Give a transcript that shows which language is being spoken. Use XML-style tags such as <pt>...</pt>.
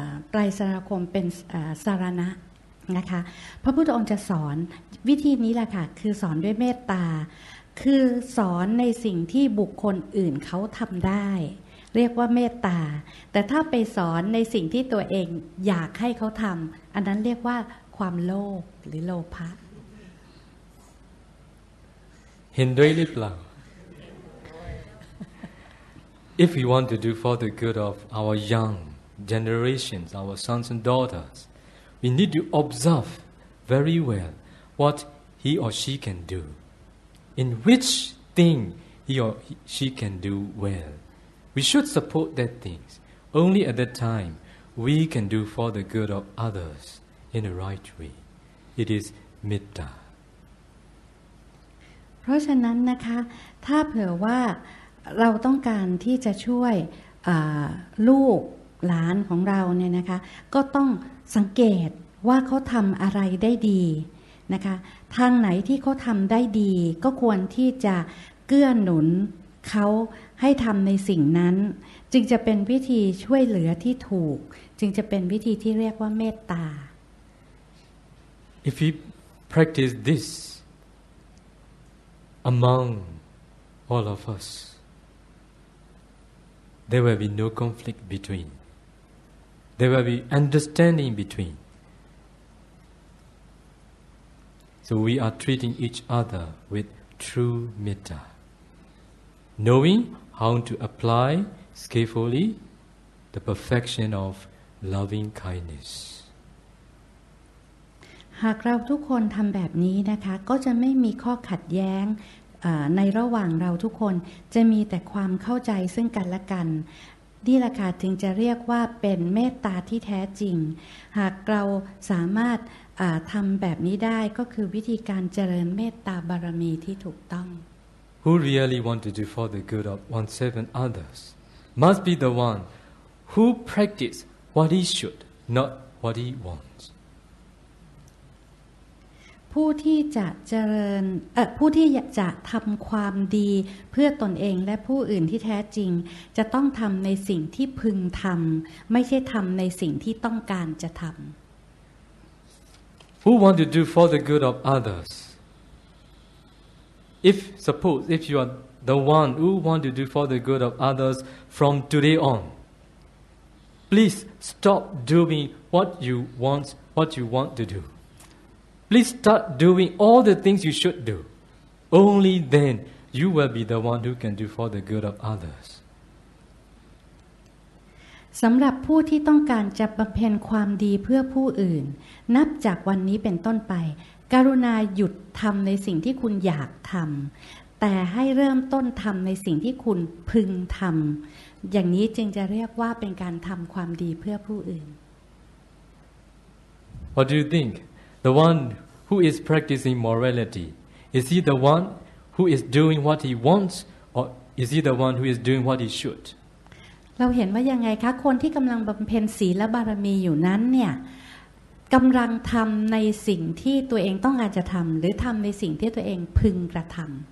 <th>ไตรสารณคมเป็นสารณะนะคะพระพุทธองค์จะสอนวิธีนี้แหละค่ะคือสอนด้วยเมตตาคือสอนในสิ่งที่บุคคลอื่นเขาทำได้เรียกว่าเมตตาแต่ถ้าไปสอนในสิ่งที่ตัวเองอยากให้เขาทำอันนั้นเรียกว่าความโลภหรือโลภะ เห็นด้วยหรือเปล่า</th> <en>If we want to do for the good of our young generations, our sons and daughters, we need to observe very well what he or she can do, in which thing he or she can do well. We should support that things. Only at that time, we can do for the good of others in the right way. It is metta.</en> <th>เพราะฉะนั้นนะคะถ้าเผื่อว่าเราต้องการที่จะช่วยลูกหลานของเราเนี่ยนะคะก็ต้องสังเกตว่าเขาทำอะไรได้ดีนะคะทางไหนที่เขาทำได้ดีก็ควรที่จะเกื้อหนุนเขาให้ทำในสิ่งนั้นจึงจะเป็นวิธีช่วยเหลือที่ถูกจึงจะเป็นวิธีที่เรียกว่าเมตตา</th> <en>If we practice this among all of us there will be no conflict between there will be understanding between so we are treating each other with true metta knowing how to apply skillfully the perfection of loving kindness</en> <th>หากเราทุกคนทำแบบนี้นะคะก็จะไม่มีข้อขัดแย้งในระหว่างเราทุกคนจะมีแต่ความเข้าใจซึ่งกันและกันนี่แหละค่ะถึงจะเรียกว่าเป็นเมตตาที่แท้จริงหากเราสามารถทำแบบนี้ได้ก็คือวิธีการเจริญเมตตาบารมีที่ถูกต้อง</th> <en>Who really want to do for the good of oneself and others must be the one who practice what he should, not what he wants.</en> <th>ผู้ที่จะเจริญผู้ที่จะทำความดีเพื่อตนเองและผู้อื่นที่แท้จริงจะต้องทำในสิ่งที่พึงทำไม่ใช่ทำในสิ่งที่ต้องการจะทำ</th> <en>Who want to do for the good of others? If suppose if you are the one who want to do for the good of others from today on, please stop doing what you want to do. Please start doing all the things you should do. Only then you will be the one who can do for the good of others.</en> <th>สำหรับผู้ที่ต้องการจะบำเพ็ญความดีเพื่อผู้อื่นนับจากวันนี้เป็นต้นไปกรุณาหยุดทำในสิ่งที่คุณอยากทำแต่ให้เริ่มต้นทำในสิ่งที่คุณพึงทำอย่างนี้จึงจะเรียกว่าเป็นการทำความดีเพื่อผู้อื่น</th> <en>What do you think? The one who is practicing morality, is he the one who is doing what he wants, or is he the one who is doing what he should?</en> <th>เราเห็นว่ายังไงคะคนที่กำลังบำเพ็ญศีลและบารมีอยู่นั้นเนี่ยกำลังทำในสิ่งที่ตัวเองต้องการจะทำหรือทำในสิ่งที่ตัวเองพึงกระทำ</th>